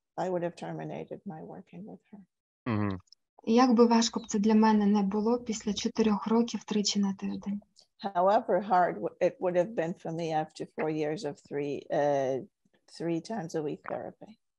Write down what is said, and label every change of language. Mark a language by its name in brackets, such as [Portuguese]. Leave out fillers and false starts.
[English] I would have terminated my working with her. Mm-hmm. [Ukrainian] І як би важко б це для мене не було після 4 років тричі на тиждень. [English] However hard it would have been for me after 4 years of 3 times a week therapy.